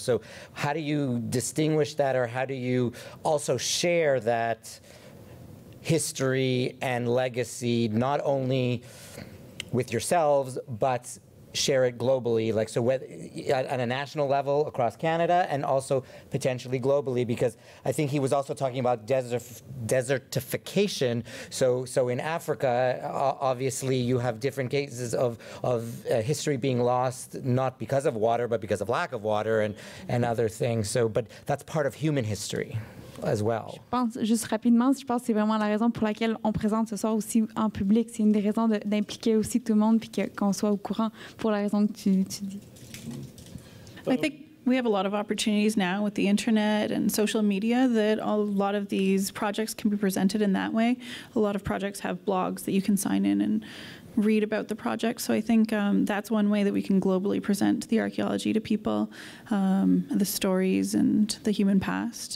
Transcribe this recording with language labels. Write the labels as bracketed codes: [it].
[en] So how do you distinguish that, or how do you also share that history and legacy, not only with yourselves, but share it globally, like so at a national level across Canada and also potentially globally, because I think he was also talking about desertification. So in Africa, obviously you have different cases of history being lost, not because of water, but because of lack of water and other things. So, but that's part of human history. As well. [fr] Je pense juste rapidement, je pense que c'est vraiment la raison pour laquelle on présente ce soir aussi en public. C'est une des raisons d'impliquer aussi tout le monde puis qu'on soit au courant pour la raison que tu dis. [en] I think we have a lot of opportunities now with the internet and social media that a lot of these projects can be presented in that way. A lot of projects have blogs that you can sign in and read about the project. So I think that's one way that we can globally present the archaeology to people, the stories and the human past.